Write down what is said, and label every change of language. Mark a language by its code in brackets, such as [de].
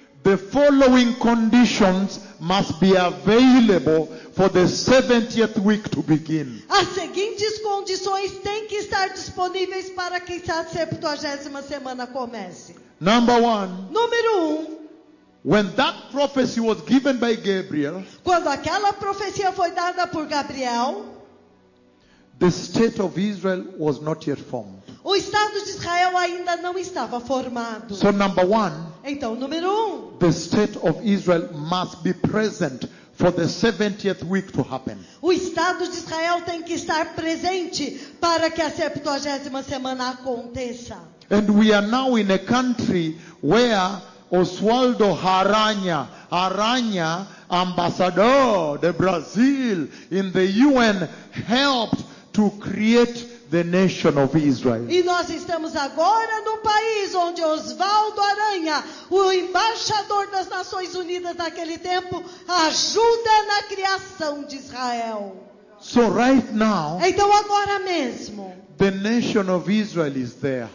[en] the following conditions must be available for the 70th week to begin. [pt] As seguintes condições têm que estar disponíveis para que a 70ª semana comece. [en] Number one. [pt] Número 1. [en] When that prophecy was given by Gabriel, [pt] quando aquela profecia foi dada por Gabriel, [en] the state of Israel was not yet formed. [pt] O estado de Israel ainda não estava formado. [en] So number one, [pt] então número 1, [en] the state of Israel must be present for the 70th week to happen. [pt] O estado de Israel tem que estar presente para que a 70ª semana aconteça. [en] And we are now in a country where Oswaldo Aranha, Aranha, ambassador de Brazil in the UN, helped to create the nation of Israel. [pt] E nós estamos agora no país onde Oswaldo Aranha, o embaixador das Nações Unidas naquele tempo, ajuda na criação de Israel. [en] So right now, [pt] então agora mesmo, [en] the nation of Israel is there.